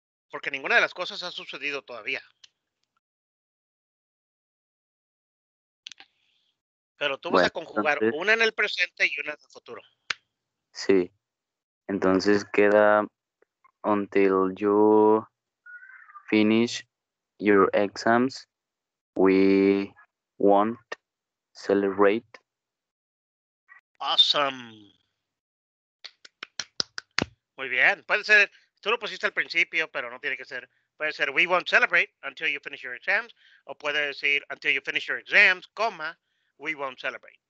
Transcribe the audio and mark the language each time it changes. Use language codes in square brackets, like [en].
[es] Porque ninguna de las cosas ha sucedido todavía. Pero tú vas a conjugar entonces, una en el presente y una en el futuro. Sí. Entonces queda [en] until you finish your exams, we won't celebrate. Awesome. [es] Muy bien. Puede ser, tú lo pusiste al principio, pero no tiene que ser. Puede ser [en] we won't celebrate until you finish your exams, [es] o puede decir [en] until you finish your exams, comma, we won't celebrate.